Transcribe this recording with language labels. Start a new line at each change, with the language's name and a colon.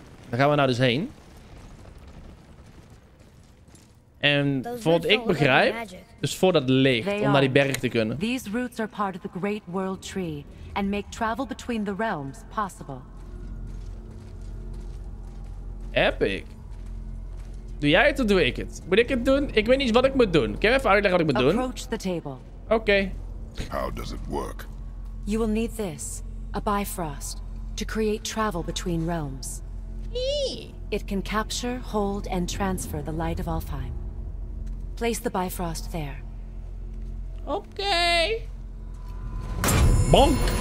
Dutch: Daar gaan we nou dus heen. En voor wat ik begrijp, dus voor dat licht, om naar die berg te kunnen.
English: These roots are part of the great world tree and make travel between the realms possible.
Dutch: Epic. Doe jij het of doe ik het? Moet ik het doen? Ik weet niet wat ik moet doen. Kan je even uitleggen wat ik moet doen?
English: Approach the table. Okay. How does it work? You will need this, a Bifrost, to create travel between realms. It can capture, hold, and transfer the light of Alfheim. Place the Bifrost there. Okay. Bonk.